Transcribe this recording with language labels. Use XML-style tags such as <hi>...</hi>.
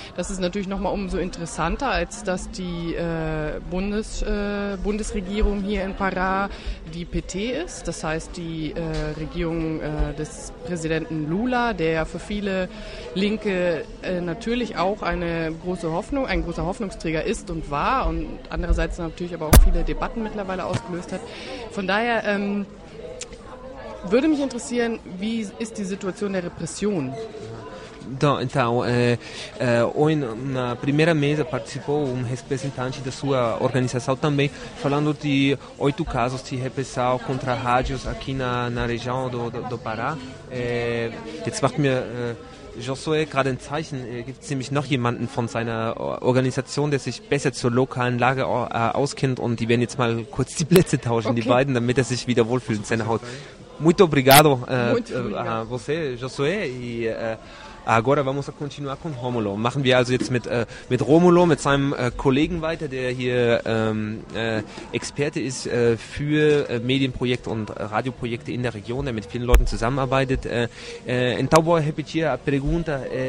<de>Das ist natürlich nochmal umso interessanter, als dass die Bundesregierung hier in Pará die PT ist, das heißt die Regierung des Präsidenten Lula, der für viele Linke natürlich auch ein großer Hoffnungsträger ist und war und andererseits natürlich aber auch viele Debatten mittlerweile ausgelöst hat. Von daher würde mich interessieren, wie ist die Situation der Repression?</de> <pt>Então, hoje na primeira mesa participou representante da sua organização também, falando de 8 casos de repressão contra rádios aqui na região do Pará.</pt> <de>Jetzt macht mir Josué gerade ein Zeichen, gibt es nämlich noch jemanden von seiner Organisation, der sich besser zur lokalen Lage auskennt und die werden jetzt mal kurz die Plätze tauschen, okay. Die beiden, damit er sich wieder wohlfühlt in seiner Haut.</de> <pt>Muito obrigado a você, Josué, e agora vamos a continuar com Rômulo.</pt> <de>Machen wir also jetzt mit Rômulo, mit seinem Kollegen weiter, der hier Experte ist für Medienprojekte und Radioprojekte in der Region, der mit vielen Leuten zusammenarbeitet.</de> <pt>Então vou repetir a pergunta.</pt>